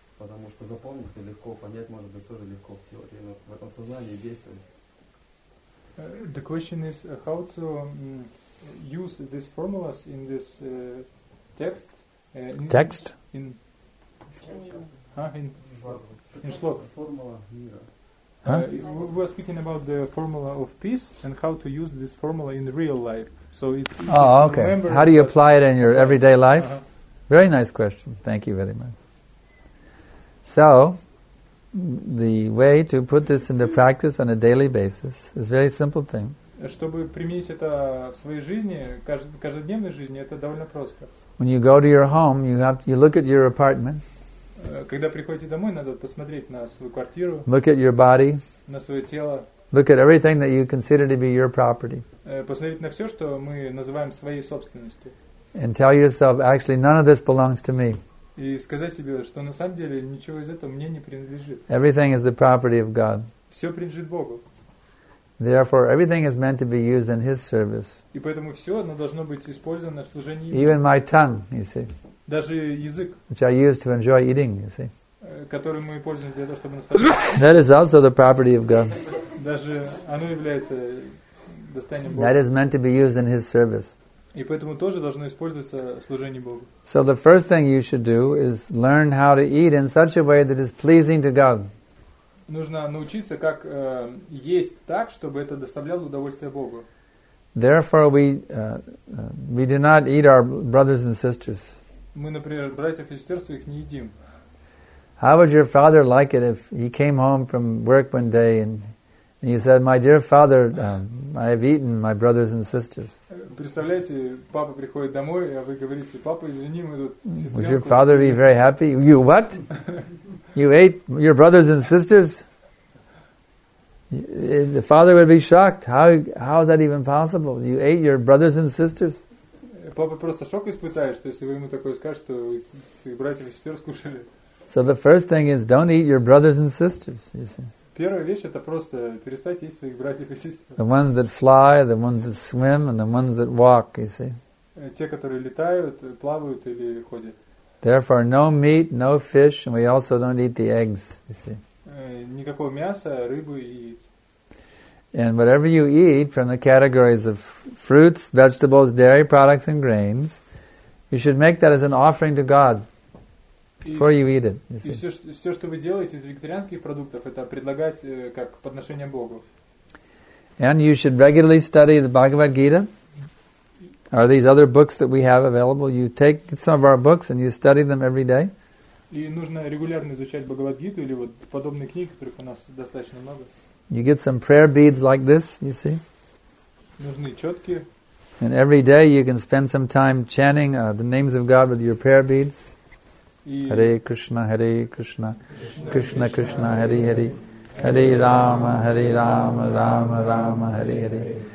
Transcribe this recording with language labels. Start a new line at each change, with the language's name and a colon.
Russian: Потому что запомнить это легко, понять может быть тоже легко в теории, но в этом сознании действовать.
English: The question is how to use these formulas in this text. Text? In shlok.
Russian: Формула мира.
English: We were speaking about the formula of peace and how to use this formula in real life. So it's okay. How do you apply it in your everyday life? Uh-huh. Very nice question. Thank you very much. So, the way to put this into practice on a daily basis is a very simple thing.
Russian: Чтобы применить это в своей жизни, каждодневной жизни, это довольно просто.
English: When you go to your home, you look at your apartment.
Russian: Когда приходите домой, надо посмотреть на свою квартиру.
English: Look at your body.
Russian: На свое тело.
English: Look at everything that you consider to be your property.
Russian: Посмотреть на все, что мы называем своей собственностью.
English: And tell yourself, actually, none of this belongs to me.
Russian: и сказать себе, что на самом деле ничего из этого мне не принадлежит.
English: Everything is the property of God.
Russian: Все принадлежит Богу.
English: Therefore, everything is meant to be used in His service.
Russian: И поэтому все, оно должно быть использовано в служении.
English: Even my tongue, you see.
Russian: Даже язык.
English: Which I use to enjoy eating, you see.
Russian: Которым мы пользуемся для того, чтобы наслаждаться.
English: That is also the property of God.
Russian: Даже оно является достоянием Бога.
English: That is meant to be used in His service.
Russian: И поэтому тоже должно использоваться в служении Богу.
English: So the first thing you should do is learn how to eat in such a way that is pleasing to God.
Russian: Нужно научиться, как есть так, чтобы это доставляло удовольствие Богу.
English: Therefore, we do not eat our brothers and sisters.
Russian: Мы, например, братьев и сестер своих не едим.
English: How would your father like it if he came home from work one day and he said, "My dear father, I have eaten my brothers and sisters"?
Russian: Представляете, папа приходит домой, а вы говорите: "Папа, извини, мы тут".
English: Would your father be very happy? You what? You ate your brothers and sisters? The father would be shocked. How is that even possible? You ate your brothers and sisters?
Russian: Папа просто шок испытает, что если вы ему такое скажете, что вы своих братьев и сестер скушали.
English: So the first thing is, don't eat your brothers and sisters, you see.
Russian: Первая вещь — это просто перестать есть своих братьев и сестер.
English: The ones that fly, the ones that swim, and the ones that walk, you see.
Russian: Те, которые летают, плавают или ходят.
English: Therefore, no meat, no fish, and we also don't eat the eggs, you see.
Russian: Никакого мяса, рыбы и яиц.
English: And whatever you eat from the categories of fruits, vegetables, dairy products, and grains, you should make that as an offering to God. Before you eat it, you see.
Russian: И все, что вы делаете из вегетарианских продуктов, это предлагать как подношение Богу.
English: And you should regularly study the Bhagavad Gita. Are these other books that we have available? You take some of our books and you study them every day.
Russian: И нужно регулярно изучать Бхагавад-гиту или вот подобные книги, которых у нас достаточно много.
English: You get some prayer beads like this, you see.
Russian: Нужны четки.
English: And every day you can spend some time chanting the names of God with your prayer beads.
Sanskrit: Hare Krishna, Hare Krishna, Krishna Krishna, Hare Hare, Hare Rama, Hare Rama, Rama Rama, Hare Hare.